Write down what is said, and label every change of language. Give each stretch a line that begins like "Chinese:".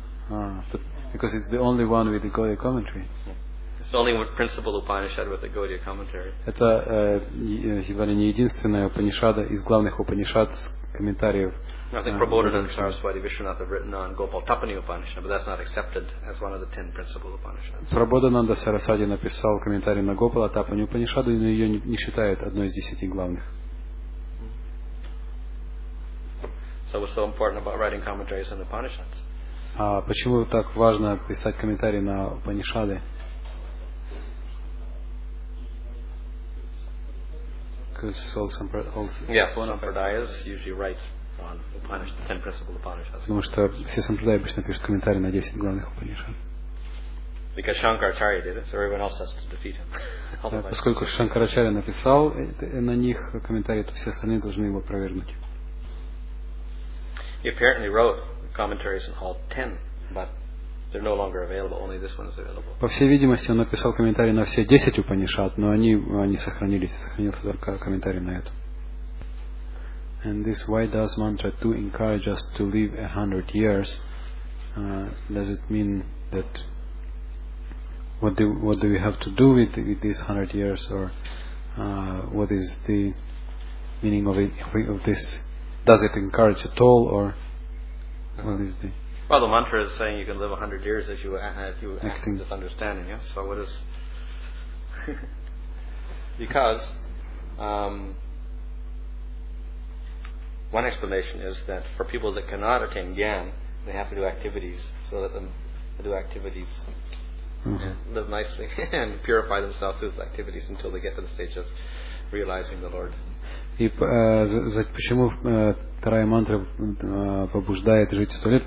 English: But because it's the only one with the Gaudiya commentary. It's the only principal Upanishad with the Gaudiya commentary.
Russian: Это едва ли не единственная Упанишада из главных Упанишад с комментариев.
English: I think Prabodhananda and Saraswati Vishwanath have written on Gopal Tapani Upanishad, but that's not accepted as one of the 10 principal Upanishads.
Russian: Prabodhananda Saraswati написал комментарий на Гопала Тапани Упанишаду, но ее не считают одной из 10 главных.
English: That was so important about writing commentaries on the Upanishads.
Russian: Почему так важно писать комментарии на Упанишады?
English: Сампрадайас usually write on Upanishads, the 10 principal Upanishads.
Russian: Потому что все сампрадаи обычно пишут комментарии на 10 главных Упанишад.
English: Because Shankaracharya did it, so everyone else has to defeat him.
Russian: Поскольку Шанкарачарья написал на них комментарии, то все остальные должны его опровергнуть.
English: He apparently wrote commentaries on all 10, but they're no longer available. Only this one is available.
Russian: По всей видимости, он написал комментарий на все 10 Упанишад, но они сохранились. Сохранился только комментарий на эту.
English: And this, why does mantra 2 encourage us to live 100 years? Does it mean that what do we have to do with these 100 years, or what is the meaning of it, of this? Does it encourage at all, or what is the? Well, the mantra is saying you can live 100 years if you act with understanding. Yeah. So what is? Because One explanation is that for people that cannot attain jnana, they have to do activities so that they do activities and live nicely and purify themselves through the activities until they get to the stage of realizing the Lord.
Russian: И почему вторая мантра побуждает жить 100 лет?